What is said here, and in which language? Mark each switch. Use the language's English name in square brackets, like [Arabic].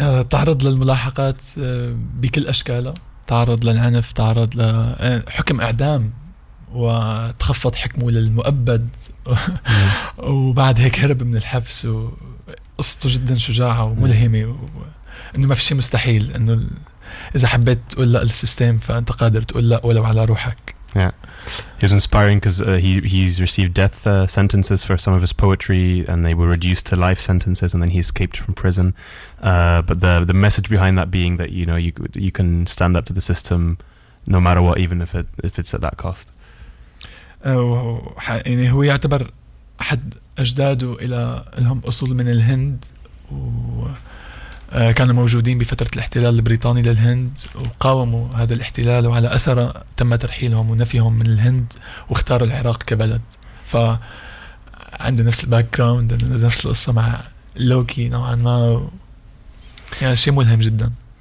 [Arabic] تعرض للملاحقات بكل أشكاله، تعرض للعنف، تعرض لحكم إعدام وتخفض حكمه للمؤبد وبعد هيك هرب من الحبس وقصته جدا شجاعة وملهمة وأنه ما في شيء مستحيل أنه إذا حبيت تقول لا للسيستم فأنت قادر تقول لا ولو على روحك. [English] He was inspiring because he's received death sentences for some of his poetry, and they were reduced to life sentences, and then he escaped from prison. But the message behind that being that you know you can stand up to the system no matter what, even if it's at that cost. [Arabic] يعني هو يعتبر أحد أجداده إلى لهم أصول من الهند وكانوا موجودين بفترة الاحتلال البريطاني للهند وقاوموا هذا الاحتلال وعلى أثره تم ترحيلهم ونفيهم من الهند واختاروا العراق كبلد فعنده نفس الباك جراوند نفس القصة مع لوكي نوعا ما يعني شيء ملهم جدا.